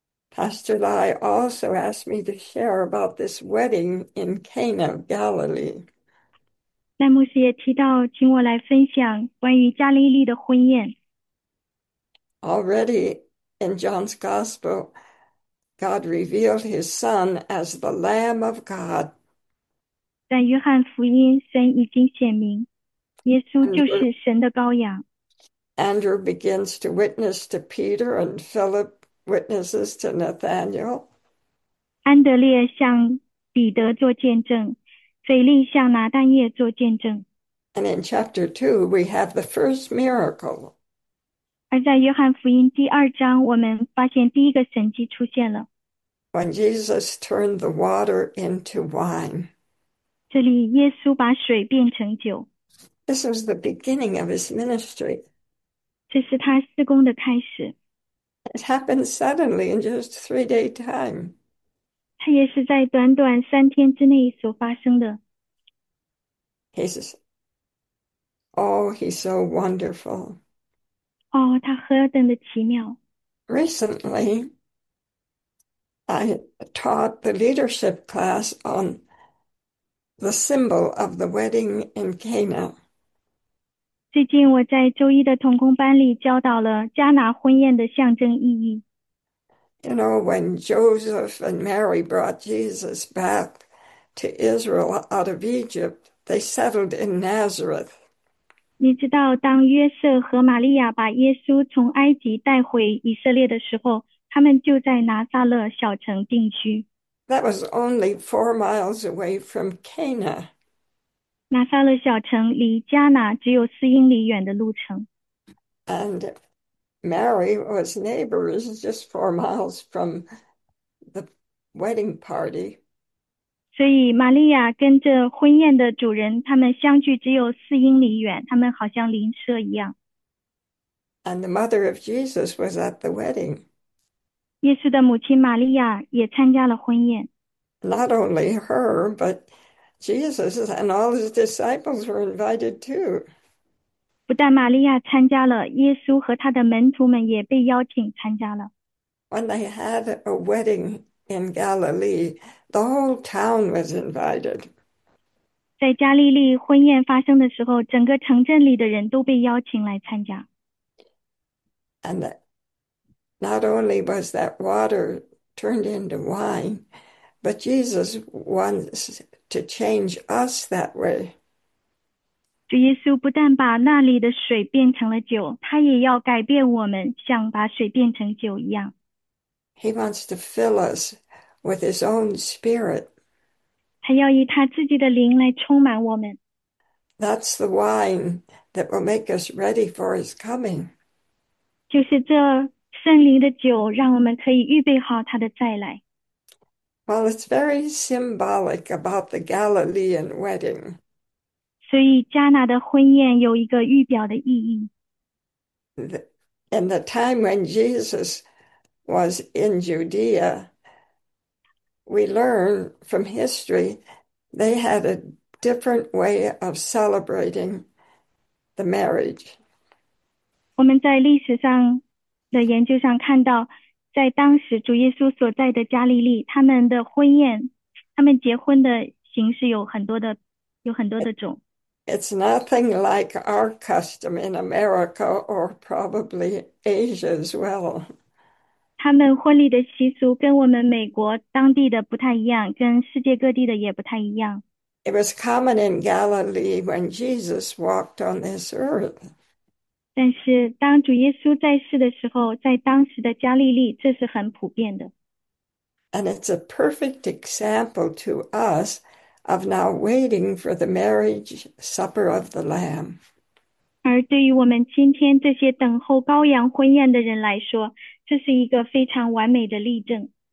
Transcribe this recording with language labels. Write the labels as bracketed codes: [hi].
[en] Pastor Lai also asked me to share about this wedding in Cana of Galilee. [zh] ”赖牧师也提到，请我来分享关于加利利的婚宴。 [en] Already in John's Gospel, God revealed his son as the Lamb of God. [zh] 在约翰福音，神已经显明。耶稣就是神的羔羊。 [en] Andrew begins to witness to Peter, and Philip witnesses to Nathaniel. [zh] 安德烈向彼得做见证，腓力向拿但业做见证。 [en] And in chapter 2, we have the first miracle. [zh] 而在约翰福音第二章，我们发现第一个神迹出现了。 [en] When Jesus turned the water into wine. [zh] 这里耶稣把水变成酒。 [en] This was the beginning of his ministry. [zh] 这是他施工的开始， [en] It happened suddenly in just 3 day time. [zh] 他也是在短短3天之内所发生的。 [en] He says, Oh, he's so wonderful. [zh] 哦，他何等的奇妙！ [en] Recently, I taught the leadership class on the symbol of the wedding in Cana. [zh] 最近我在周一的童工班里教导了加拿婚宴的象征意义。 [en] When Joseph and Mary brought Jesus back to Israel out of Egypt, they settled in Nazareth. [zh] 你知道，当约瑟和玛利亚把耶稣从埃及带回以色列的时候，他们就在拿撒勒小城定居。 [en] That was only 4 miles away from Cana. [zh] 拿撒勒小城离加拿只有4英里远的路程。 [en] And Mary was neighbors just 4 miles from the wedding party. [zh] 所以，玛利亚跟着婚宴的主人，他们相距只有4英里远，他们好像邻舍一样。 [en] And the mother of Jesus was at the wedding. [zh] 耶稣的母亲玛利亚也参加了婚宴。 [en] Not only her, but Jesus and all his disciples were invited too. [zh] 不但玛利亚参加了，耶稣和他的门徒们也被邀请参加了。 [en] When they had a wedding in Galilee, the whole town was invited. [zh] 在加利利婚宴发生的时候，整个城镇里的人都被邀请来参加。 [en] And that not only was that water turned into wine, but Jesus wants to change us that way. [zh] 耶稣不但把那里的水变成了酒，他也要改变我们，像把水变成酒一样。 [en] He wants to fill us with his own spirit. [zh] 他要以他自己的灵来充满我们。 [en] That's the wine that will make us ready for his coming. [zh] 就是这圣灵的酒，让我们可以预备好他的再来。 [en] Well, it's very symbolic about the Galilean wedding. [zh] 所以，加拿的婚宴有一个预表的意义。 [en] In the time when Jesus was in Judea, we learn from history they had a different way of celebrating the marriage. [zh] 我们在历史上的研究上看到，在当时主耶稣所在的加利利，他们的婚宴他们结婚的形式有很多的种。 [en] It's nothing like our custom in America or probably Asia as well. [zh] 他们婚礼的习俗跟我们美国当地的不太一样，跟世界各地的也不太一样。 [en] It was common in Galilee when Jesus walked on this earth. [zh] 但是，当主耶稣在世的时候，在当时的加利利，这是很普遍的。 [en] And it's a perfect example to us of now waiting for the marriage supper of the Lamb. [zh] 而对于我们今天这些等候羔羊婚宴的人来说，这是一个非常完美的例证。